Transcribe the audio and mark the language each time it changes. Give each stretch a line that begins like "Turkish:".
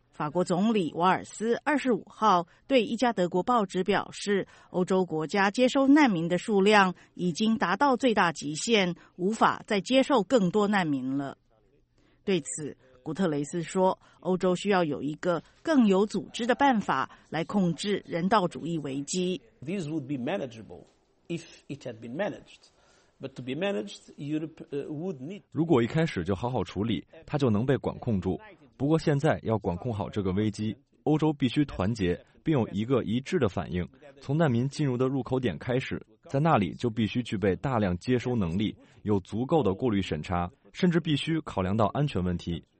Chinese: 法国总理瓦尔斯25号对一家德国报纸表示，欧洲国家接收难民的数量已经达到最大极限，无法再接受更多难民了。对此，古特雷斯说，欧洲需要有一个更有组织的办法来控制人道主义危机。
English: This would be manageable if it had been managed, but to be managed, Europe would need.
Chinese: 如果一开始就好好处理，它就能被管控住。不过现在要管控好这个危机，欧洲必须团结，并有一个一致的反应，从难民进入的入口点开始，在那里就必须具备大量接收能力，有足够的过滤审查，甚至必须考量到安全问题。